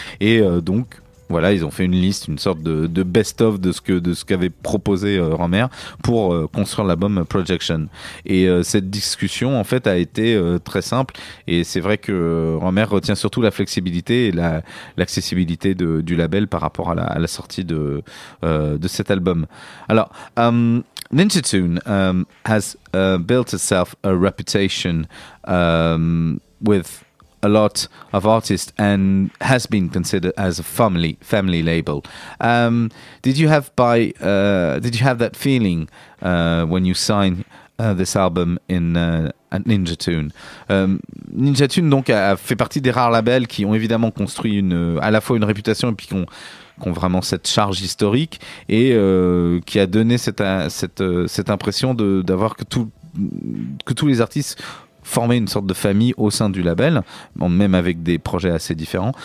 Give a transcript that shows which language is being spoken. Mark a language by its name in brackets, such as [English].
[French] Et donc voilà, ils ont fait une liste, une sorte de best-of de ce qu'avait proposé Romer pour construire l'album Projection. Et cette discussion en fait a été très simple, et c'est vrai que Romer retient surtout la flexibilité et l'accessibilité du label par rapport à la sortie de cet album. Alors, [English] Ninja Tune has built itself a reputation with a lot of artists and has been considered as a family label. Did you have that feeling when you signed this album in Ninja Tune? [French] Ninja Tune donc a fait partie des rares labels qui ont évidemment construit à la fois une réputation et puis qui ont vraiment cette charge historique, et qui a donné cette impression d'avoir que tous les artistes formaient une sorte de famille au sein du label, bon, même avec des projets assez différents.